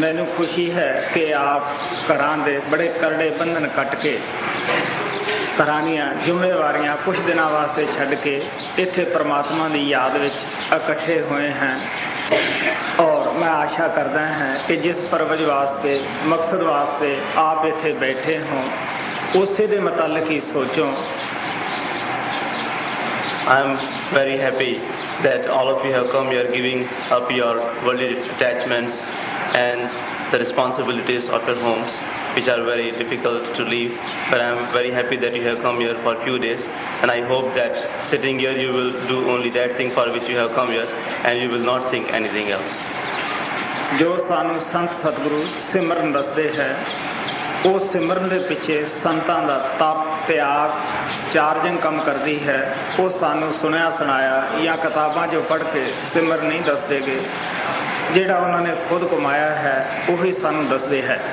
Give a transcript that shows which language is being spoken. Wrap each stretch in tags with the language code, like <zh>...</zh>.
<pa>ਮੈਨੂੰ ਖੁਸ਼ੀ ਹੈ ਕਿ ਆਪ ਘਰਾਂ ਦੇ ਬੜੇ ਕਰੜੇ ਬੰਧਨ ਕੱਟ ਕੇ ਤਰਾਣੀਆਂ ਜ਼ਿੰਮੇਵਾਰੀਆਂ ਕੁਛ ਦਿਨਾਂ ਵਾਸਤੇ ਛੱਡ ਕੇ ਇੱਥੇ ਪਰਮਾਤਮਾ ਦੀ ਯਾਦ ਵਿੱਚ ਇਕੱਠੇ ਹੋਏ ਹਨ ਔਰ ਮੈਂ ਆਸ਼ਾ ਕਰਦਾ ਹਾਂ ਕਿ ਜਿਸ ਪਰਵਜ ਵਾਸਤੇ ਮਕਸਦ ਵਾਸਤੇ ਆਪ ਇੱਥੇ ਬੈਠੇ ਹੋ ਉਸੇ ਦੇ ਮੁਤਾਲਕ ਹੀ ਸੋਚੋ।</pa> <en>I am very happy that all of you have come, you are giving up your worldly attachments and the responsibilities of your homes which are very difficult to leave, but I am very happy that you have come here for a few days and I hope that sitting here you will do only that thing for which you have come here and you will not think anything else.</en> <pa>Jo sanu sant satguru simran dasde hai ਉਹ ਸਿਮਰਨ ਦੇ ਪਿੱਛੇ ਸੰਤਾਂ ਦਾ ਤਪ ਤਿਆਗ charging ਕੰਮ ਕਰਦੀ ਹੈ, ਉਹ ਸਾਨੂੰ ਸੁਣਿਆ ਸੁਣਾਇਆ ਜਾਂ ਕਿਤਾਬਾਂ 'ਚੋਂ ਪੜ੍ਹ ਕੇ ਸਿਮਰਨ ਨਹੀਂ ਦੱਸਦੇ ਗੇ, ਜਿਹੜਾ ਉਹਨਾਂ ਨੇ ਖੁਦ ਕਮਾਇਆ ਹੈ ਉਹੀ ਸਾਨੂੰ ਦੱਸਦੇ ਹੈ।</pa>